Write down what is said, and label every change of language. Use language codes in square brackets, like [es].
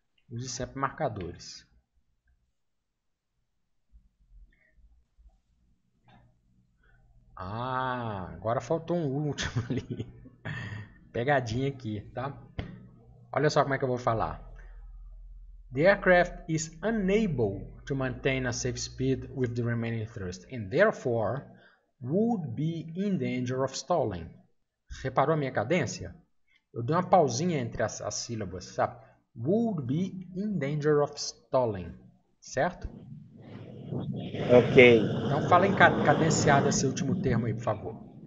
[pt] Use sempre marcadores. Ah, agora faltou um último ali. Pegadinha aqui, tá? Olha só como é que eu vou falar. [en] The aircraft is unable to maintain a safe speed with the remaining thrust, and therefore would be in danger of stalling. [pt] Reparou a minha cadência? Eu dei uma pausinha entre as sílabas, sabe? [en] Would be in danger of stalling, certo? [pt] Ok. Então fala em cadenciado esse último termo aí, por favor.